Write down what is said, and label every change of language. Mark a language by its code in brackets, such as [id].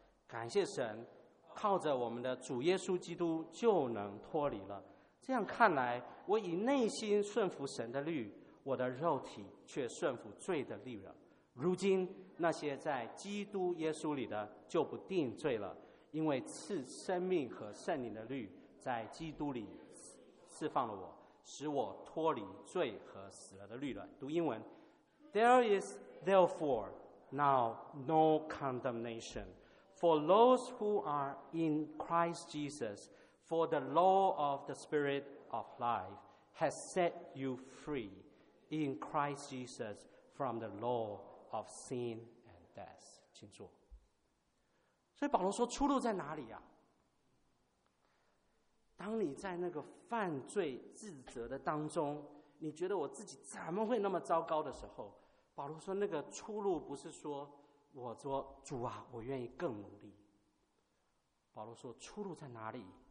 [zh] 感谢神，靠着我们的主耶稣基督就能脱离了。这样看来，我以内心顺服神的律，我的肉体却顺服罪的律了。如今那些在基督耶稣里的就不定罪了，因为赐生命和圣灵的律在基督里释放了我，使我脱离罪和死了的律了。读英文。 [en] There is therefore now no condemnation for those who are in Christ Jesus, for the law of the Spirit of life has set you free in Christ Jesus from the law of sin and death. [zh] 请坐。所以保罗说出路在哪里啊？当你在那个犯罪自责的当中，你觉得我自己怎么会那么糟糕的时候，保罗说那个出路不是说我说主啊我愿意更努力，保罗说出路在哪里？